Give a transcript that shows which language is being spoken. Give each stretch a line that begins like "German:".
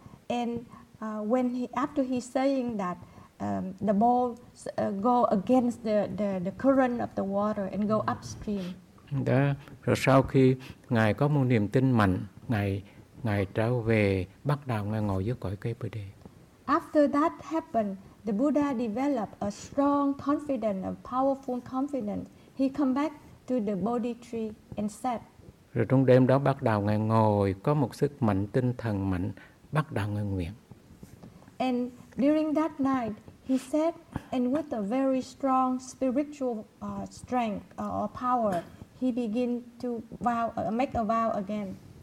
English: After he saying that, the ball go against the current of the water and go upstream.
Vietnamese: Đó. Rồi sau khi ngài có một niềm tin mạnh, ngài trở về bắt đầu ngài ngồi dưới cội cây Bồ đề.
English: After that happened, the Buddha developed a strong confidence, a powerful confidence. He come back to the Bodhi tree and sat.
Vietnamese: Rồi trong đêm đó bắt đầu ngài ngồi có một sức mạnh tinh thần mạnh, bắt đầu ngài nguyện.
English: And during that night, he sat and with a very strong spiritual strength or power, he begin to vow, make a vow again.